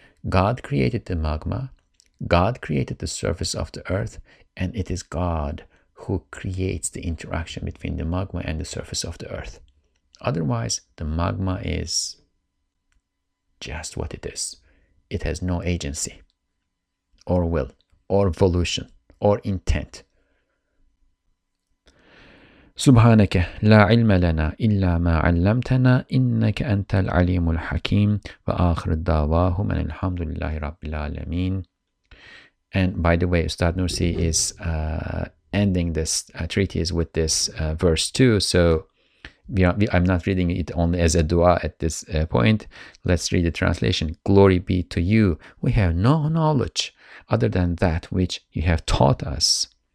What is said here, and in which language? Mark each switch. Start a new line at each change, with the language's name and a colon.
English: God created the magma, God created the surface of the earth, and it is God who creates the interaction between the magma and the surface of the earth. Otherwise, the magma is just what it is. It has no agency, or will, or volition, or intent.
Arabic: سبحانك لا علم لنا إلا ما علمتنا إنك أنت العليم الحكيم وآخر الدعواهم أن الحمد لله رب العالمين.
English: And by the way, Ustad Nursi is ending this treatise with this verse too. So I'm not reading it only as a dua at this point. Let's read the translation. Glory be to you. We have no knowledge other than that which you have taught us.